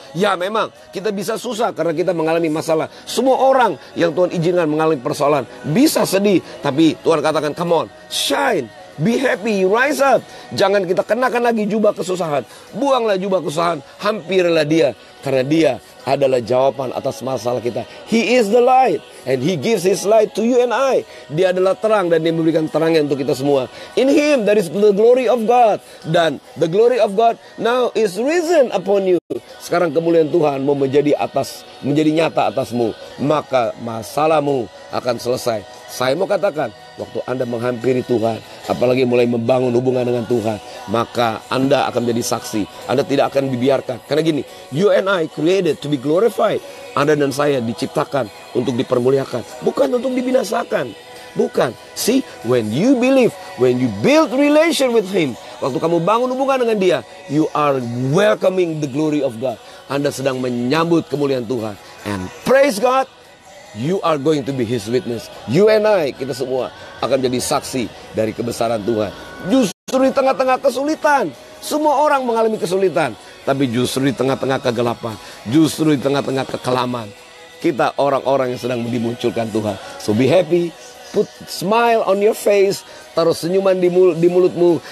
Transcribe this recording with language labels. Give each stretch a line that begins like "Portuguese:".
Indonesian: Ya memang kita bisa susah karena kita mengalami masalah. Semua orang yang Tuhan izinkan mengalami persoalan bisa sedih. Tapi Tuhan katakan,
English: come on, shine, be happy, rise up.
Indonesian: Jangan kita kenakan lagi jubah kesusahan. Buanglah jubah kesusahan, hampirlah dia. Karena dia adalah jawaban atas masalah kita.
English: He is the light and he gives his light to you and I.
Indonesian: Dia adalah terang dan dia memberikan terangnya untuk kita semua.
English: In him there is the glory of God. Dan the glory of God now is risen upon you.
Indonesian: Sekarang kemuliaan Tuhan mau menjadi nyata atasmu. Maka masalahmu akan selesai. Saya mau katakan, waktu Anda menghampiri Tuhan, apalagi mulai membangun hubungan dengan Tuhan, maka Anda akan menjadi saksi. Anda tidak akan dibiarkan. Karena gini,
English: you and I created to be glorified.
Indonesian: Anda dan saya diciptakan untuk dipermuliakan, bukan untuk dibinasakan. Bukan.
English: See, when you believe, when you build relation with him,
Indonesian: waktu kamu bangun hubungan dengan dia,
English: you are welcoming the glory of God.
Indonesian: Anda sedang menyambut kemuliaan Tuhan.
English: And praise God, you are going to be his witness. You and I,
Indonesian: kita semua akan jadi saksi dari kebesaran Tuhan. Justru di tengah-tengah kesulitan, semua orang mengalami kesulitan, tapi justru di tengah-tengah kegelapan, justru di tengah-tengah kekelaman, kita orang-orang yang sedang dimunculkan Tuhan.
English: So be happy, put smile on your face,
Indonesian: taruh senyuman di mulutmu.